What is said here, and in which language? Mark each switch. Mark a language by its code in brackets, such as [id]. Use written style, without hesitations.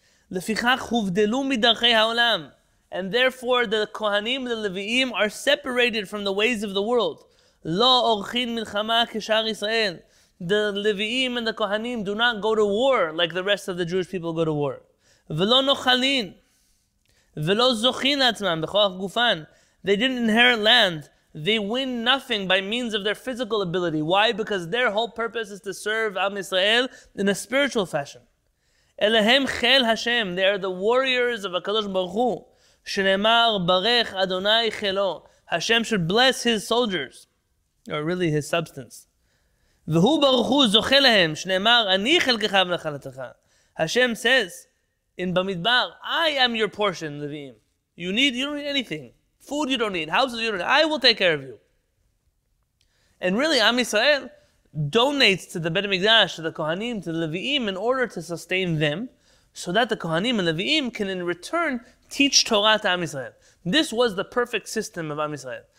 [he] לפיכך הובדלו מדרכי העולם. [en] And therefore the Kohanim, the Levim, are separated from the ways of the world. [he] לא עורכין מלחמה כשאר ישראל. [en] The Leviim and the Kohanim do not go to war like the rest of the Jewish people go to war. [he] Ve'lo nochalin, ve'lo zochin atzman b'chorach gufan. [en] They didn't inherit land. They win nothing by means of their physical ability. Why? Because their whole purpose is to serve Am Yisrael in a spiritual fashion. [he] Elehem chel Hashem. [en] They are the warriors of HaKadosh Baruch Hu. [he] Shenemar barech Adonai chelo. [en] Hashem should bless his soldiers. Or really his substance. [he] והוא ברוך הוא זוכה להם, שנאמר, אני חלקך ונחלתך. [en] Hashem says, in במדבר, I am your portion, Levim. You don't need anything. Food you don't need, houses you don't need. I will take care of you. And really, Am Yisrael donates to the Bet HaMikdash, to the Kohanim, to the Levim, in order to sustain them, so that the Kohanim and Levim can in return teach Torah to Am Yisrael. This was the perfect system of Am Yisrael.